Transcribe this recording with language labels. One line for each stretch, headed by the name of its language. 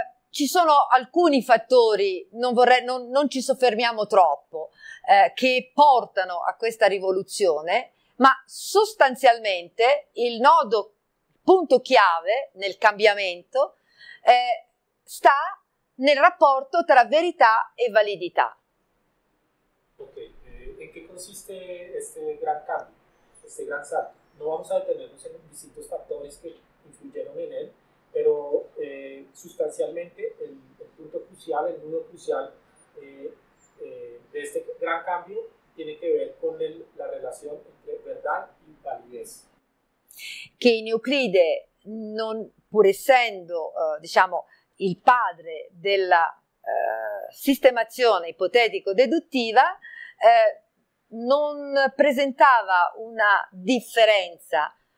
Italian: Ci sono alcuni fattori, non ci soffermiamo troppo, che portano a questa rivoluzione, ma sostanzialmente il nodo punto chiave nel cambiamento sta nel rapporto tra verità e validità. Ok, in che consiste questo gran cambio, questo gran salto?
Spanish: Non vamos a detenernos en distintos factores che influyeron en él, pero sustancialmente el punto crucial, el nudo crucial de este gran cambio tiene que ver con la relación entre verdad y validez.
Italian: Che in Euclide non, pur essendo diciamo il padre della sistemazione ipotetico-deduttiva, non presentava una differenza.